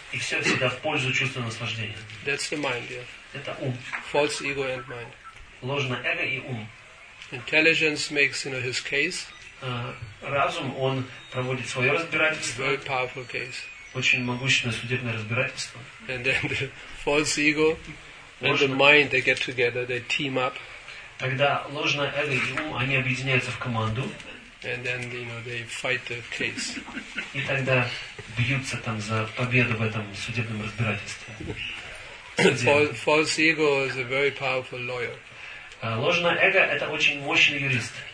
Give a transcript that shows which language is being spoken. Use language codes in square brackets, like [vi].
[ru] И все всегда в пользу чувства наслаждения. [en] That's the mind, yeah. [ru] Это ум. [en] False ego and mind. [ru] Ложное эго и ум. [en] Intelligence makes, you know, his case. [ru] Разум, он проводит свое разбирательство. [en] Very powerful case. [ru] Очень могущественное судебное разбирательство. [en] And then the false ego and the mind, they get together, they team up. [ru] Тогда ложное эго и ум, они объединяются в команду. [en] And then, you know, they fight the case. [ru] И тогда бьются там за победу в этом судебном разбирательстве. [en] False ego is a very powerful lawyer. [ru] Ложное эго – это очень мощный юрист.